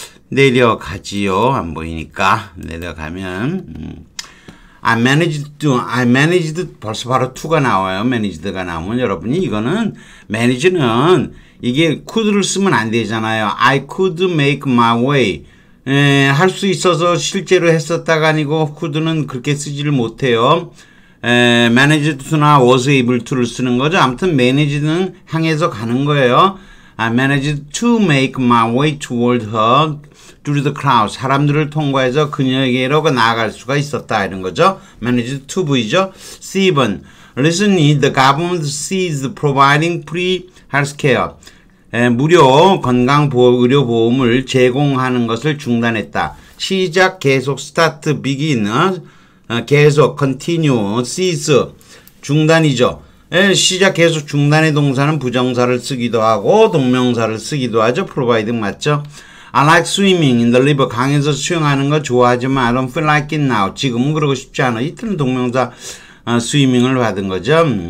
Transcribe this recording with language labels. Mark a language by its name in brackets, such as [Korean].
[Korean] 내려가지요. 안 보이니까. 내려가면 I managed, 벌써 바로 to가 나와요. managed가 나오면 여러분이 이거는, manage는 이게 could를 쓰면 안 되잖아요. [English] I could make my way. [Korean] 할 수 있어서 실제로 했었다가 아니고 could는 그렇게 쓰지를 못해요. managed to나 was able to를 쓰는 거죠. 아무튼 managed는 향해서 가는 거예요. [English] I managed to make my way toward her. [Korean] Through the crowd, 사람들을 통과해서 그녀에게로 나아갈 수가 있었다 이런 거죠. [English] Managed to V죠. C번, listen, the government sees providing free healthcare. [Korean] 무료 건강의료보험을 제공하는 것을 중단했다. 시작, 계속, start, begin, 계속, continue, cease, 중단이죠. 시작, 계속, 중단의 동사는 부정사를 쓰기도 하고 동명사를 쓰기도 하죠. Providing 맞죠. [English] I like swimming in the river. 강에서 수영하는 거 좋아하지만 I don't feel like it now. [Korean] 지금은 그러고 싶지 않아. 이틀은 동명사 swimming을 받은 거죠.